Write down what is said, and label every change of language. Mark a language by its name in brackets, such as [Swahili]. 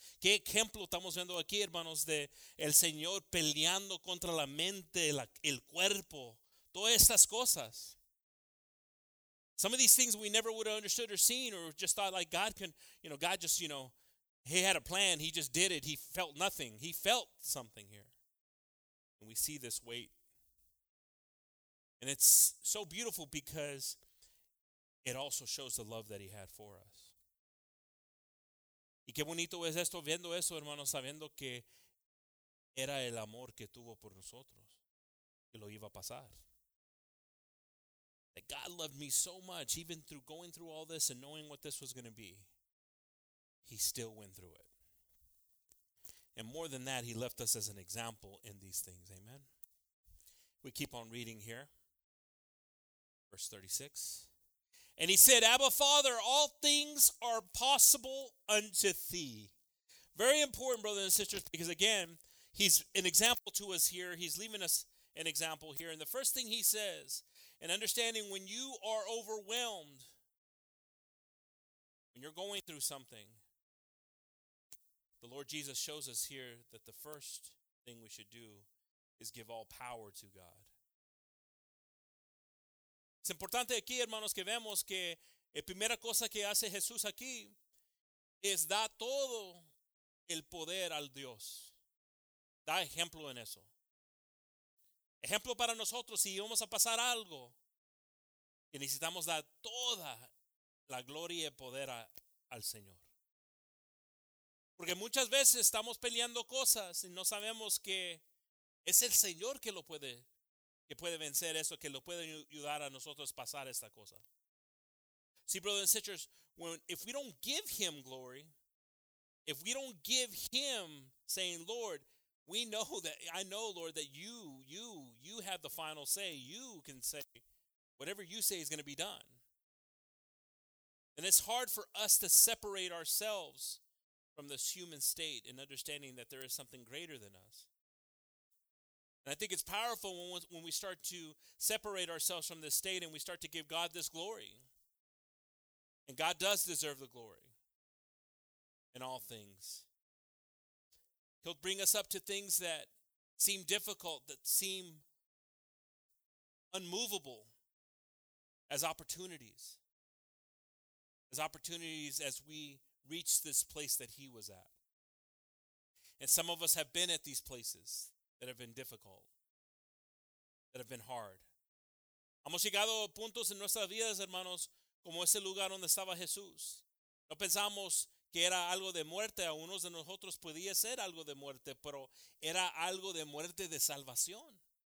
[Spanish] ¿Qué ejemplo estamos viendo aquí, hermanos, de el Señor peleando contra la mente, el cuerpo, todas estas cosas? [English] Some of these things we never would have understood or seen or just thought like God can, you know, God just, you know, He had a plan. He just did it. He felt nothing. He felt something here. And we see this weight. And it's so beautiful because it also shows the love that He had for us. Y qué bonito es esto, viendo eso, hermanos, sabiendo que era el amor que tuvo por nosotros, que lo iba a pasar. That God loved me so much, even through going through all this and knowing what this was going to be, He still went through it. And more than that, He left us as an example in these things. Amen. We keep on reading here. Verse 36. And He said, Abba, Father, all things are possible unto Thee. Very important, brothers and sisters, because again, He's an example to us here. He's leaving us an example here. And the first thing He says, and understanding when you are overwhelmed, when you're going through something, the Lord Jesus shows us here that the first thing we should do is give all power to God. [Spanish] Es importante aquí, hermanos, que vemos que la primera cosa que hace Jesús aquí es da todo el poder al Dios. Da ejemplo en eso. Ejemplo para nosotros, si vamos a pasar algo, que necesitamos dar toda la gloria y poder al Señor. Porque muchas veces estamos peleando cosas y no sabemos que es el Señor que puede vencer eso, que lo puede ayudar a nosotros pasar esta cosa. [English] See, brothers and sisters, if we don't give Him glory, if we don't give Him saying, Lord, we know that, I know, Lord, that you have the final say. You can say whatever you say is going to be done. And it's hard for us to separate ourselves from this human state and understanding that there is something greater than us. And I think it's powerful when we start to separate ourselves from this state and we start to give God this glory. And God does deserve the glory in all things. He'll bring us up to things that seem difficult, that seem unmovable, as opportunities as we reach this place that He was at. And some of us have been at these places that have been difficult, that have been hard. [Spanish] Hemos llegado a puntos en nuestras vidas, hermanos, como ese lugar donde estaba Jesús. No pensamos que era algo de muerte. A unos de nosotros podía ser algo de muerte, pero era algo de muerte de salvación.